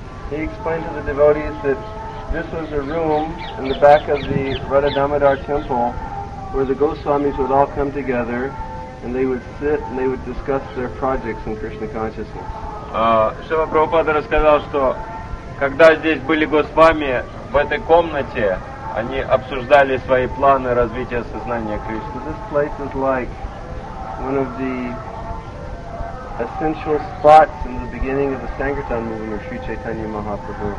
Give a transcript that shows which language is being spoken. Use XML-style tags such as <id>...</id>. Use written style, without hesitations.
<en>He explained to the devotees that this was a room in the back of the Radha Damodar temple where the Goswamis would all come together and they would sit and they would discuss their projects in Krishna consciousness.</en> <ru>Шрила Прабхупада рассказал, что когда здесь были госвами, в этой комнате они обсуждали свои планы развития сознания Кришны.</ru> <en>So this place is like one of the essential spots in the beginning of the Sankirtan movement, Sri Chaitanya Mahaprabhu.</en>